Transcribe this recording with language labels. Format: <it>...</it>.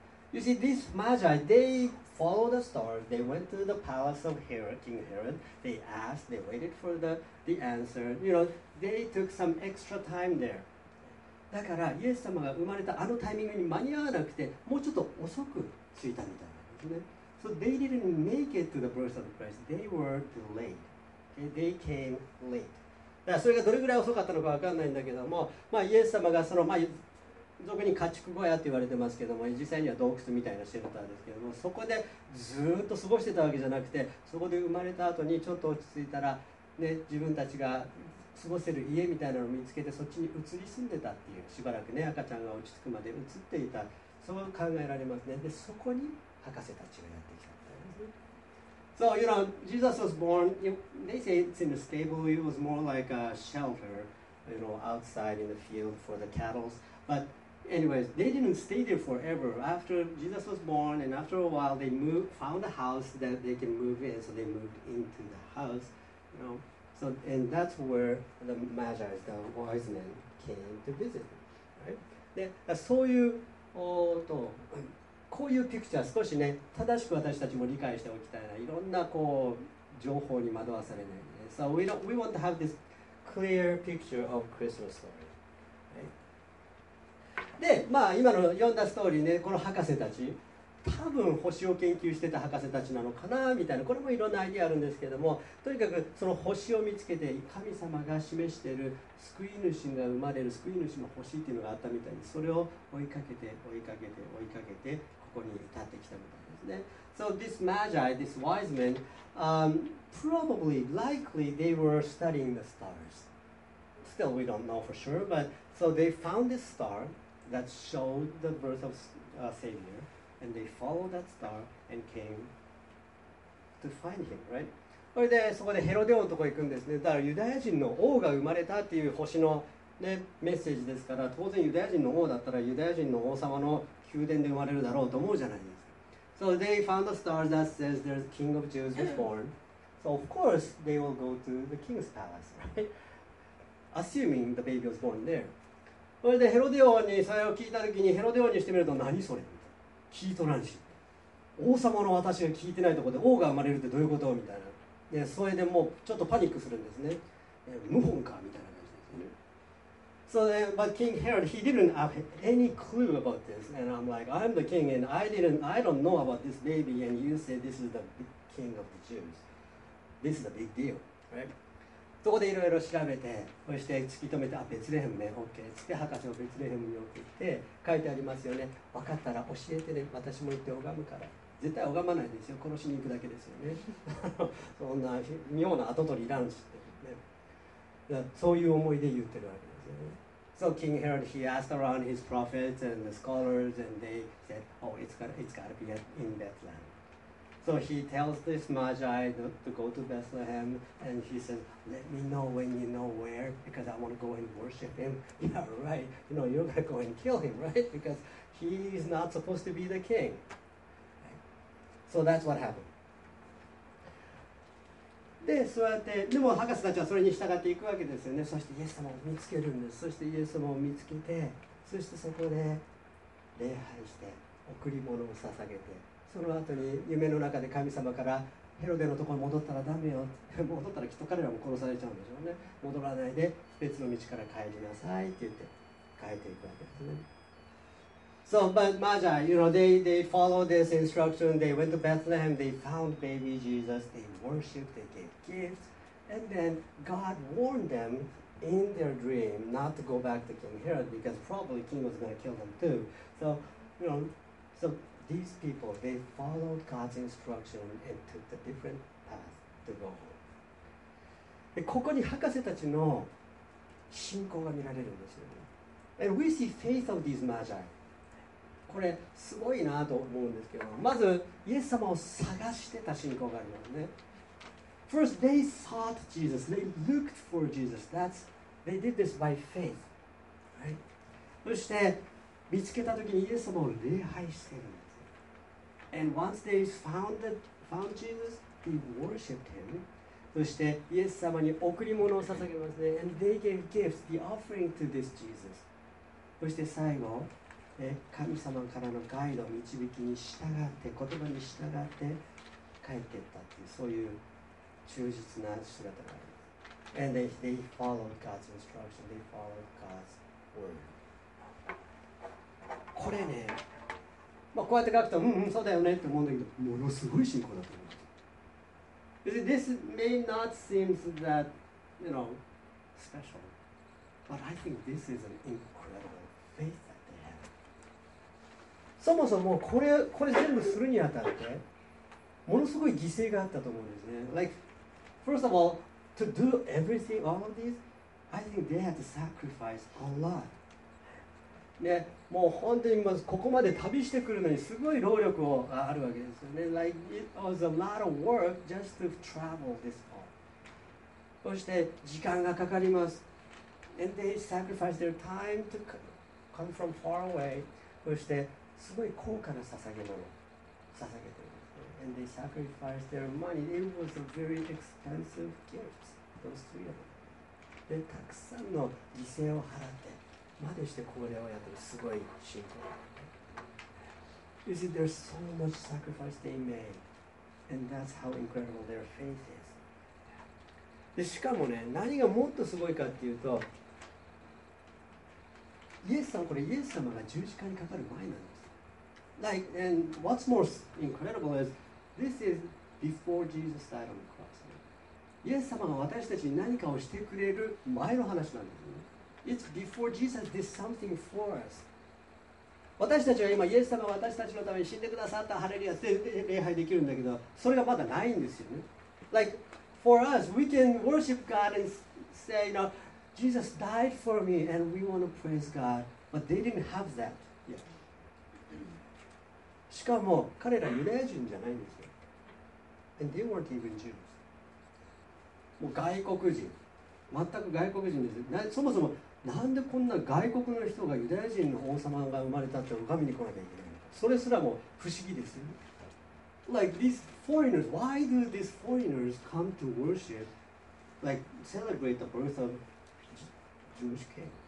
<en>You see, these magi, they followed the stars, they went to the palace of Herod, King Herod, they asked, they waited for the answer, you know, they took some extra time there.</en> <ja>だから、イエス様が生まれたあのタイミングに間に合わなくて、もうちょっと遅く着いたみたいなんですね。</ja> <en>So they didn't make it to the birth of the Christ, they were delayed, okay, they came late.</en> <ja>だからそれがどれぐらい遅かったのかわかんないんだけども、まあイエス様がその、まあ俗に家畜小屋って言われてますけども、実際には洞窟みたいなシェルターですけども、そこでずっと過ごしてたわけじゃなくて、そこで生まれた後にちょっと落ち着いたら、ね、自分たちが過ごせる家みたいなのを見つけて、そっちに移り住んでたっていう、しばらくね、赤ちゃんが落ち着くまで移っていた、そう考えられますね。でそこに博士たちがやってきたんですね。</ja> <en>So you know, Jesus was born, they say it's in a stable, it was more like a shelter, you know, outside in the field for the cattle, butAnyways, they didn't stay there forever. After Jesus was born, and after a while, they moved, found a house that they can move in, so they moved into the house, you know. So, and that's where the Magi, the wise men, came to visit, right?</en> <ja>そういう、こういうピクチャー、少しね、正しく私たちも理解しておきたいな。いろんなこう情報に惑わされない、ね。</ja> <en>So we want to have this clear picture of Christmas story.</en> <ja>で、まあ、今の読んだストーリーね、この博士たち、多分星を研究してた博士たちなのかなみたいな、これもいろんなアイデアあるんですけども、とにかくその星を見つけて、神様が示している救い主が生まれる救い主の星っていうのがあったみたいに、それを追いかけて追いかけて追いかけて、ここに至ってきたみたいですね。</ja> <en>So this magi, this wise men, probably, likely, they were studying the stars. Still, we don't know for sure, but so they found this starthat showed the birth of a savior, and they followed that star and came to find him, right?</en> <ja>それでそこでヘロデ王のところ行くんですね。だからユダヤ人の王が生まれたっていう星の、ね、メッセージですから、当然ユダヤ人の王だったらユダヤ人の王様の宮殿で生まれるだろうと思うじゃないですか。</ja> <en>So they found a star that says there's king of Jews was born. So of course they will go to the king's palace, right? Assuming the baby was born there.</en> <ja>それでヘロデ王にそれを聞いたときに、ヘロデ王にしてみると何それ、聞いとらんし、王様の私が聞いてないところで王が生まれるってどういうことみたいな。でそれでもうちょっとパニックするんですね。謀反かみたいな感じですね。</ja> <en>So then, but King Herod, he didn't have any clue about this. And I'm like, I'm the king and I don't know about this baby. And you say this is the king of the Jews. This is a big deal, right?</en> <ja>そこでいろいろ調べて、そして突き止めて、あ、ベツレヘムね、OK、つって博士をベツレヘムに送って、書いてありますよね、分かったら教えてね、私も行って拝むから。絶対拝まないですよ、殺しに行くだけですよね。そんな妙な跡取りいらんしって、ね。だそういう思いで言ってるわけですよね。</ja> <en>So King Herod, he asked around his prophets and the scholars, and they said, oh, it's gotta be in Bethlehem. So he tells this magi to go to Bethlehem, and he says, "Let me know when you know where, because I want to go and worship him." Yeah, right. You know, you're gonna go and kill him, right? Because he's not supposed to be the king. So that's what happened.</en> <ja>で、そうやって、でも博士たちはそれに従っていくわけですよね。そしてイエス様を見つけるんです。そしてイエス様を見つけて、そしてそこで礼拝して、贈り物を捧げて。その後に夢の中で神様からヘロデのところに戻ったらダメよ、戻ったらきっと彼らも殺されちゃうんでしょうね、戻らないで別の道から帰りなさいって言って帰っていくわけですね。</ja> <en>So, but Magi, you know, they followed this instruction, they went to Bethlehem, they found baby Jesus, they worshiped, they gave gifts, And then God warned them in their dream not to go back to King Herod because probably king was going to kill them too. So, you know, so these people, they followed God's instruction and took the different path to go home.</en> <ja>ここに博士たちの信仰が見られるんですよね。</ja> <en>And we see faith of these magi.</en> <ja>これすごいなと思うんですけど、まずイエス様を探してた信仰がありますね。</ja> <en>First, they sought Jesus. They looked for Jesus. That's, they did this by faith.</en> <ja>そして、見つけた時にイエス様を礼拝してるんです。</ja> <en>And once they found Jesus, they worshipped him.</en> <ja>そして、イエス様に贈り物を捧げますね。</ja> <en>And they gave gifts, the offering to this Jesus.</en> <ja>そして最後、神様からのガイド、導きに従って、言葉に従って帰っていったっていう、そういう忠実な姿があります。</ja> <en>And they followed God's instruction. They followed God's word.</en> <ja>これね、まあ、こうやって書くと、うんうん、そうだよねって思うんだけど、ものすごい信仰だと思います。</ja> <en>You see, this may not seem that, you know, special. But I think this is an incredible faith that they have.</en> <ja>そもそもこれ全部するにあたって、ものすごい犠牲があったと思うんですね。</ja> <en>Like,First of all, to do everything, all of these, I think they had to sacrifice a lot.</en> <ja>ね、もう本当にまずここまで旅してくるのにすごい労力があるわけですよね。</ja> <en>Like, it was a lot of work just to travel this far.</en> <ja>そして時間がかかります。</ja> <en>And they sacrificed their time to come from far away.</en> <ja>そしてすごい高価な捧げ物を捧げてる。</ja> <en>And they sacrificed their money. It was a very expensive gift. Those three of them.</en> <ja>で、たくさんの犠牲を払ってまでしてこれをやってるすごい信仰。</ja> <en>You see, there's so much sacrifice they made, and that's how incredible their faith is.</en> <ja>で、しかもね、何がもっとすごいかっていうと、イエス様、これイエス様が十字架にかかる前なんです。</ja> <en>Like, and what's more incredible is this is before Jesus died on the cross.</en> <ja>イエス様が私たちに何かをしてくれる前の話なんですね。</ja> <en>It's before Jesus did something for us.</en> <ja>私たちは今イエス様が私たちのために死んでくださったハレルヤって礼拝できるんだけど、それがまだないんですよね。</ja> <en>Like, for us, we can worship God and say, you know, Jesus died for me and we want to praise God, but they didn't have that yet.</en> <ja>しかも彼らユダヤ人じゃないんですよ。</ja> <en>And they weren't even Jews.</en> <ja>もう外国人。全く外国人です。そもそもなんでこんな外国の人がユダヤ人の王様が生まれたって拝みに来なきゃいけないのか。それすらも不思議ですよね。</ja> <en>Like these foreigners, why do these foreigners come to worship, like celebrate the birth of Jewish king?</en>